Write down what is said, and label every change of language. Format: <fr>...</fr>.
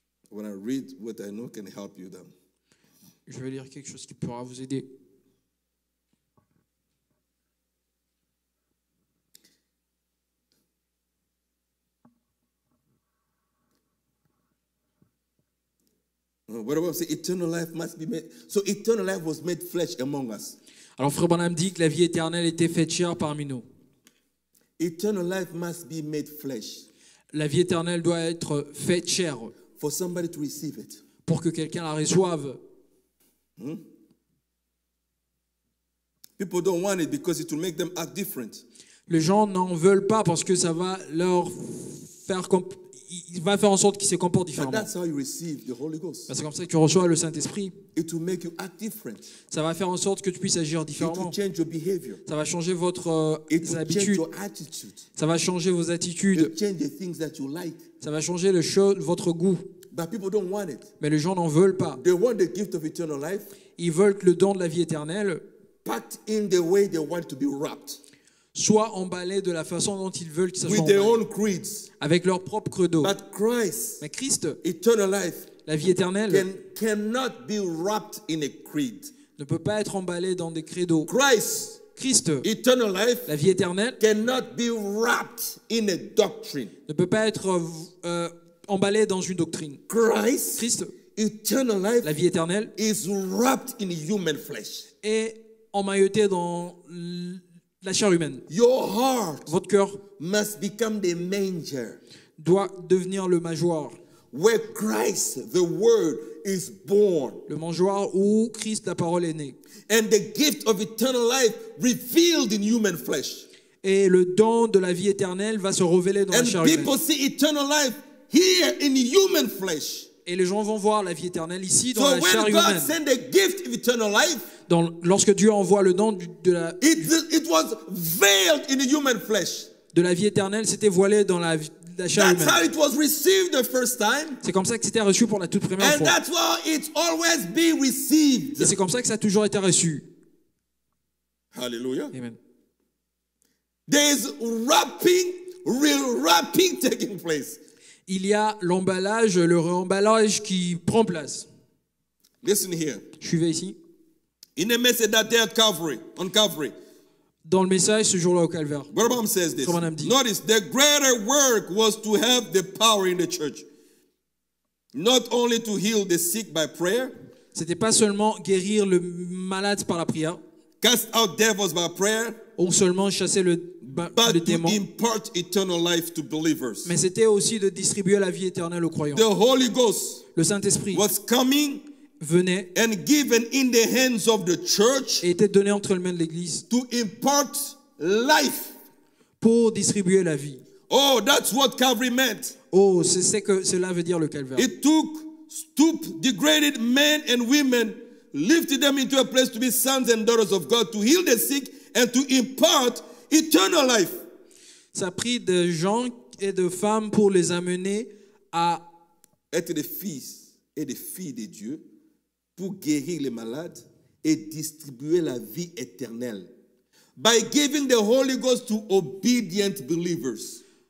<en>When I read what I know can help you then.</en> <fr>Je vais lire quelque chose qui pourra vous aider.</fr> <en>What about say eternal life must be made? So eternal life was made flesh among us.</en> <fr>Alors frère Branham dit que la vie éternelle était faite chair parmi nous.</fr> <en>Eternal life must be made flesh.</en> <fr>La vie éternelle doit être faite chair.</fr> <en>For somebody to receive it.</en> <fr>Pour que quelqu'un la reçoive.</fr> <en>People don't want it because it will make them act different.</en> <fr>Les gens n'en veulent pas parce que ça va leur faire comme il va faire en sorte qu'il se comporte différemment.</fr> <en>That's how you receive the Holy Ghost.</en> <fr>C'est comme ça que tu reçois le Saint-Esprit.</fr> <en>It will make you act different.</en> <fr>Ça va faire en sorte que tu puisses agir différemment.</fr> <en>It will change your behavior.</en> <fr>Ça va changer votre habitude.</fr> <en>It will change your attitude.</en> <fr>Ça va changer vos attitudes.</fr> <en>It will change the things that you like.</en> <fr>Ça va changer le votre goût.</fr> <en>But people don't want it.</en> <fr>Mais les gens n'en veulent pas.</fr> <en>They want the gift of eternal life.</en> <fr>Ils veulent le don de la vie éternelle.</fr> <en>Packed in the way they want to be wrapped.</en> <fr>Soit emballés de la façon dont ils veulent qu'ils soient emballés. Avec leur propre credo.</fr> <en>But Christ,</en> <fr>mais Christ,</fr> <en>eternal life,</en> <fr>la vie éternelle,</fr> <en>cannot be wrapped in a creed.</en> <fr>Ne peut pas être emballé dans des credos.</fr> <en>Christ,</en> <fr>Christ,</fr> <en>eternal life,</en> <fr>la vie éternelle,</fr> <en>cannot be wrapped in a doctrine.</en> <fr>Ne peut pas être emballé dans une doctrine.</fr> <en>Christ,</en> <fr>Christ,</fr> <en>eternal life,</en> <fr>la vie éternelle,</fr> <en>is wrapped in human flesh.</en> <fr>Est emmailloté dans la chair humaine.</fr> <en>Your heart,</en> <fr>votre cœur,</fr> <en>must become the manger,</en> <fr>doit devenir le mangeoir,</fr> <en>where Christ, the Word, is born,</en> <fr>le mangeoir où Christ, la parole, est né.</fr> <en>And the gift of eternal life revealed in human flesh.</en> <fr>Et le don de la vie éternelle va se révéler dans</fr> <en>and</en> <fr>la chair humaine.</fr> <en>And people see eternal life here in human flesh.</en> <fr>Et les gens vont voir la vie éternelle ici dans</fr> <en>so</en> <fr>la chair</fr> <en>God</en> <fr>humaine.</fr> <en>So when God sent the gift of eternal life.</en> <fr>Dans, lorsque Dieu envoie le don de la</fr> <en>it was veiled in human flesh.</en> <fr>De la vie éternelle, c'était voilé dans la chair</fr> <en>that's</en> <fr>humaine.</fr> <en>How it was received the first time.</en> <fr>C'est comme ça que c'était reçu pour la toute première</fr> <en>and</en> <fr>fois.</fr> <en>That's why it's always been received.</en> <fr>Et c'est comme ça que ça a toujours été reçu.</fr> <en>Hallelujah. Amen. There's wrapping taking place.</en> <fr>Il y a l'emballage, le re-emballage qui prend place.</fr> <en>Listen here.</en> <fr>Suivez ici.</fr> <en>In the message that day at Calvary, on Calvary.</en> <fr>Dans le message ce jour-là au calvaire.</fr> <en>Brabham says this.</en> <fr>Brabham dit,</fr> <en>notice the greater work was to have the power in the church. Not only to heal the sick by prayer.</en> <fr>C'était pas seulement guérir le malade par la prière.</fr> <en>Cast out devils by prayer.</en> <fr>Ou seulement chasser le démon.</fr> <en>But to impart eternal life to believers.</en> <fr>Mais c'était aussi de distribuer la vie éternelle aux croyants.</fr> <en>The Holy Ghost.</en> <fr>Le Saint-Esprit.</fr> <en>Was coming.</en> <fr>Venait</fr> <en>and given in the hands of the church</en> <fr>et était donné entre les mains de l'église</fr> <en>to impart life</en> <fr>pour distribuer la vie.</fr> <en>Oh, that's what Calvary meant.</en> <fr>Oh, c'est que cela veut dire le calvaire.</fr> <en>It took stooped degraded men and women, lifted them into a place to be sons and daughters of God, to heal the sick and to impart eternal life.</en> <fr>Ça a pris de gens et de femmes pour les amener à être des fils et des filles de Dieu. Pour guérir les malades et distribuer la vie éternelle.</fr> <en>By giving the Holy Ghost to obedient believers.</en>